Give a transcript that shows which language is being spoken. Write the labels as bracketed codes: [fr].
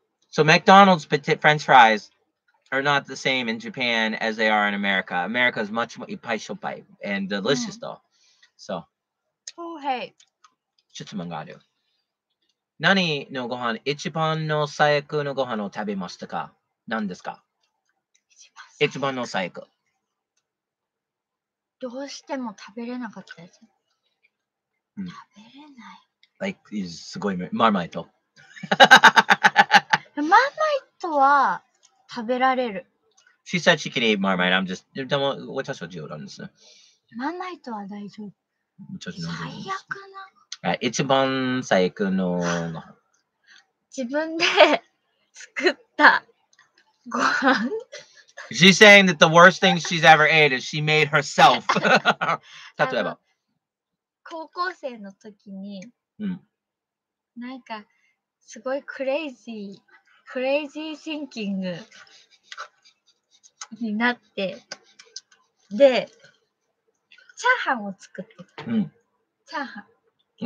[en] So McDonald's French fries are not the same in Japan as they are in America. America is much more [ja] いっぱい [en] and delicious though. So. Oh, hey. [ja] 質問がある。何のご飯、一番の最悪のご飯を食べましたか？何ですか？一番の最悪。どうしても食べれなかったやつ。食べれない。 [en] Like, [ja] すごい、マーマイト。マーマイトは食べられる。 [en] She said she can eat Marmite. I'm just... [ja] でも、私は重要なんですね。マーマイトは大丈夫。最悪な。一番最悪の自分で作ったご飯。 [en] She's saying that the worst thing she's ever ate is she made herself. [ja] 例えば。高校生の時に、うん、なんかすごいクレイジーシンキングになって、で、チャーハンを作ってた。うん。チャーハン。